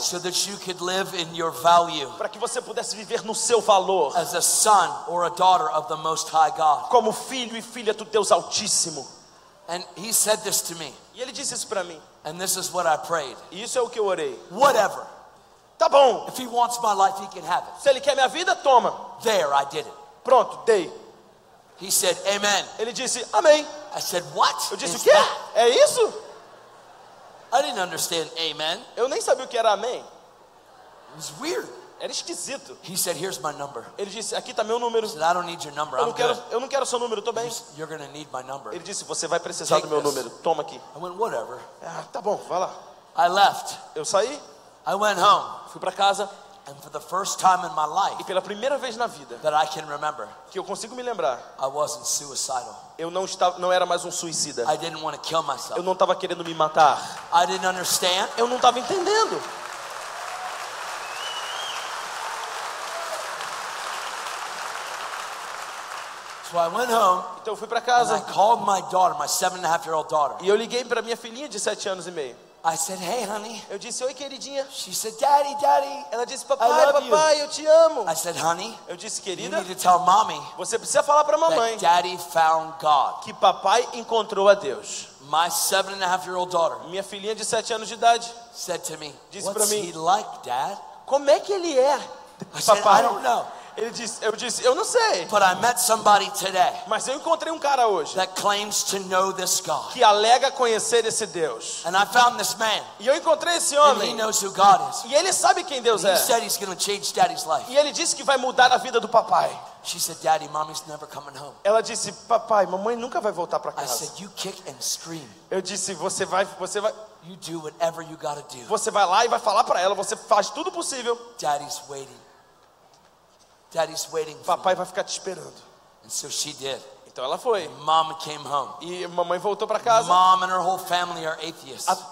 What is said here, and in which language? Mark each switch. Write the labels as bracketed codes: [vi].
[en] So that you could live in your value. [pt] Para que você pudesse viver no seu valor. [en] As a son or a daughter of the Most High God. [pt] Como filho e filha do Deus Altíssimo. [en] And he said this to me. [pt] E ele disse isso para mim. [en] And this is what I prayed. [pt] Isso é o que eu orei. [en] Whatever. [pt] Tá bom. [en] If he wants my life, he can have it. [pt] Se ele quer minha vida, toma. [en] There, I did it. [pt] Pronto, dei. [en] He said, amen. [pt] Ele disse, amém. [en] I said, what? [pt] Eu disse, o quê? É isso? [en] I didn't understand amen. [pt] Eu nem sabia o que era amém. [en] It was weird. [pt] Era esquisito. [en] He said, here's my number. [pt] Ele disse, aqui está meu número. [en] He said, I don't need your number. [pt] Eu não quero seu número, estou bem. [en] You're gonna need my number. [pt] Ele disse, você vai precisar [en] Take [pt] do meu [en] this. [pt] Número. Toma aqui. [en] I went, whatever. [pt] Ah, tá bom, vai lá. [en] I left. [pt] Eu saí. [en] I went home. [pt] Fui para casa. [en] And for the first time in my life, [pt] e pela primeira vez na vida [en] that I can remember, [pt] que eu consigo me lembrar, [en] I wasn't suicidal. [pt] Eu não era mais suicida. [en] I didn't want to kill myself. [pt] Eu não estava querendo me matar. [en] I didn't understand. [pt] Eu não estava entendendo. [en] So I went home, [pt] então eu fui para casa. [en] And I called my daughter, my 7.5-year-old daughter. [pt] E eu liguei para minha filhinha de 7 anos e meio. [en] I said, hey, honey. [pt] Eu disse, oi, queridinha. [en] She said, daddy, daddy. [pt] Ela disse, papai, eu te amo. [en] I said, honey. [pt] Eu disse, querida. [en] You need to tell mommy. [pt] Você precisa falar para mamãe. [en] That daddy found God. [pt] Que papai encontrou a Deus. [en] My 7.5-year-old daughter. [pt] Minha filhinha de 7 anos de idade. [en] Said to me. [pt] Disse para mim. [en] What's he like, dad? [pt] Como é que ele é, papai? [en] I said, I don't know. [pt] Ele disse, eu disse, eu não sei. [en] But I met somebody today. [pt] Mas eu encontrei um cara hoje. [en] That claims to know this God. [pt] Que alega conhecer esse Deus. [en] And I found this man. [pt] E eu encontrei esse homem. [en] And he knows who God is. [pt] E ele sabe quem Deus [en] he [pt] é. [en] Said he's gonna change daddy's life. [pt] E ele disse que vai mudar a vida do papai. [en] She said, "Daddy, mommy's never coming home." [pt] Ela disse, papai, mamãe nunca vai voltar para casa. [en] I said, "You kick and scream." [pt] Eu disse, você vai. [en] You do whatever you gotta do. [pt] Você vai lá e vai falar para ela. Você faz tudo possível. [en] Daddy's waiting. Daddy's waiting. [pt] Papai vai ficar te esperando. [en] And so she did. [pt] Então ela foi. [en] Mom came home. [pt] E mamãe voltou para casa. [en] Mom and her whole family are atheists.